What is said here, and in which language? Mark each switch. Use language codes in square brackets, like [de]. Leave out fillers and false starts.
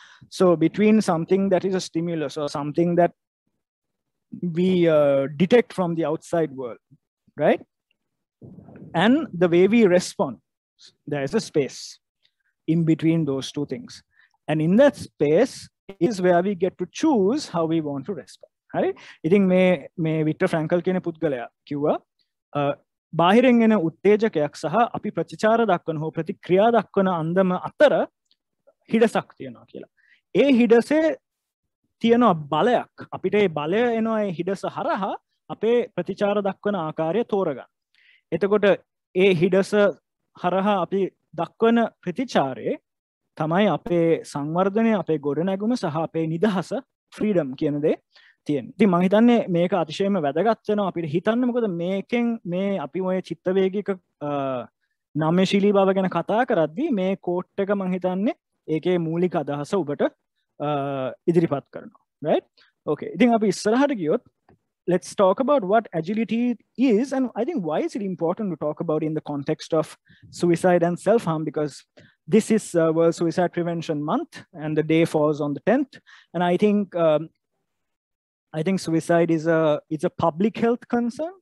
[en] So between something that is a stimulus or something that we detect from the outside world, right? And the way we respond, there is a space in between those two things. And in that space is where we get to choose how we want to respond. [si] හරි? ඉතින් මේ Victor ෆ්‍රැන්කල් කියන පුද්ගලයා කිව්වා බාහිරෙන් එන උත්තේජකයක් සහ අපි ප්‍රතිචාර දක්වන හෝ ප්‍රතික්‍රියා දක්වන අන්දම අතර හිඩසක් තියෙනවා කියලා. ඒ හිඩසේ තියෙන බලයක් අපිට ඒ බලය එනවා ඒ හිඩස හරහා අපේ ප්‍රතිචාර දක්වන ආකාරය තෝරගන්න. එතකොට ඒ හිඩස හරහා අපි දක්වන ප්‍රතිචාරයේ තමයි අපේ සංවර්ධනය අපේ ගොඩනැගුම සහ අපේ නිදහස ෆ්‍රීඩම් කියන දේ තියෙන්නේ. ඉතින් මම හිතන්නේ මේක අතිශයම වැදගත් වෙනවා අපිට හිතන්න මොකද මේකෙන් මේ අපි ඔය චිත්ත වේගික නම්‍යශීලී බව ගැන කතා කරද්දී මේ කෝට් එක මම හිතන්නේ ඒකේ මූලික අදහස ඔබට ඉදිරිපත් කරනවා. [en] Right? Okay. [si] ඉතින් අපි ඉස්සරහට ගියොත් [en] let's talk about what agility is and I think why is it important to talk about in the context of suicide and self harm because this is World Suicide Prevention Month and the day falls on the 10th and I think suicide is a public health concern.